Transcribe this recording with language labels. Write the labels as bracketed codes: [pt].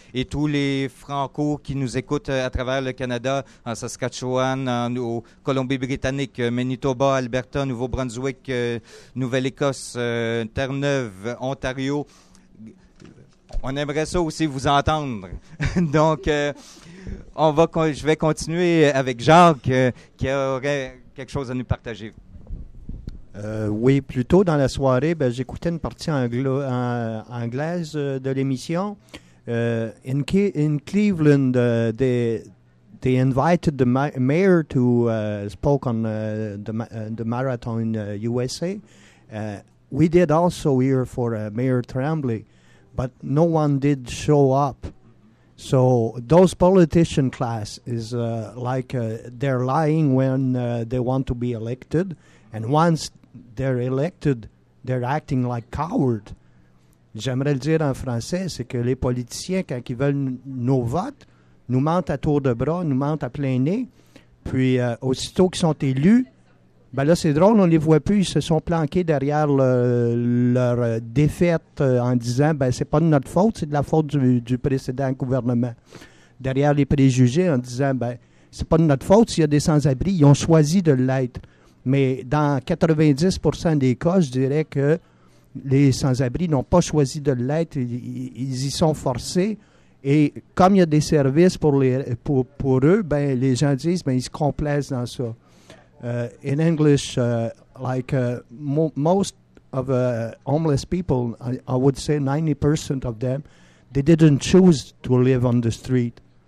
[fr] Et tous les Franco qui nous écoutent à travers le Canada, en Saskatchewan, en Colombie-Britannique, Manitoba, Alberta, Nouveau-Brunswick, Nouvelle-Écosse, Terre-Neuve, Ontario, on aimerait ça aussi vous entendre. Donc, je vais continuer avec Jacques qui aurait quelque chose à nous partager. Oui, plus tôt dans la soirée, j'écoutais une partie anglaise de l'émission. [en] In Cleveland, they invited the mayor to spoke on the marathon in USA. We did also here for Mayor Tremblay. But no one did show up. So those politician class is they're lying when they want to be elected. And once they're elected, they're acting like cowards. [fr] J'aimerais le dire en français, c'est que les politiciens, quand ils veulent nos votes, nous mentent à tour de bras, nous mentent à plein nez. Puis aussitôt qu'ils sont élus, Ben là, c'est drôle, on les voit plus. Ils se sont planqués derrière leur défaite en disant, ben c'est pas de notre faute, c'est de la faute du précédent gouvernement. Derrière les préjugés en disant, ben c'est pas de notre faute s'il y a des sans-abri. Ils ont choisi de l'être. Mais dans 90% des cas, je dirais que les sans-abri n'ont pas choisi de l'être. Ils y sont forcés. Et comme il y a des services pour eux, ben les gens disent, ben ils se complaisent dans ça. [en] In English, most of homeless people, I would say 90% of them, they didn't choose to live on the street.